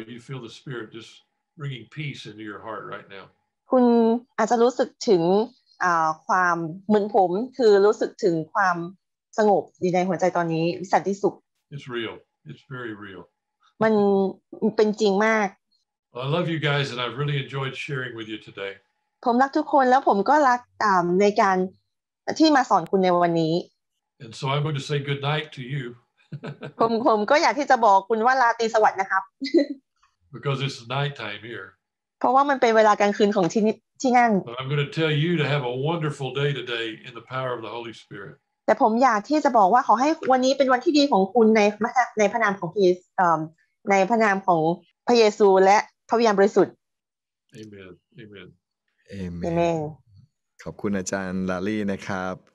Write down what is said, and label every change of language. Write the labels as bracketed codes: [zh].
[en] You feel the Spirit just bringing peace into your heart right now. [th] คุณอาจจะรู้สึกถึงความเหมือนผมคือรู้สึกถึงความสงบในหัวใจตอนนี้สันติสุข [en] It's real. It's very real. [th] มันเป็นจริงมาก [en] I love you guys and I've really enjoyed sharing with you today [th] ผมรักทุกคนแล้วผมก็รักในการที่มาสอนคุณในวันนี้ [en] And so I'm going to say good night to you [th] ผมก็อยากที่จะบอกคุณว่าราตรีสวัสดิ์นะครับ [en] Because it's night time here [th] เพราะว่ามันเป็นเวลากลางคืนของที่นั่น [en] But I'm going to tell you to have a wonderful day today in the power of the Holy Spirit [th] แต่ผมอยากที่จะบอกว่าขอให้วันนี้เป็นวันที่ดีของคุณในพระนามของพระเยซูในพระนามของพระเยซูและพระวิญญาณบริสุทธิ์ [en] Amen Amen [th] Amen ขอบคุณอาจารย์ลาลี่นะครับ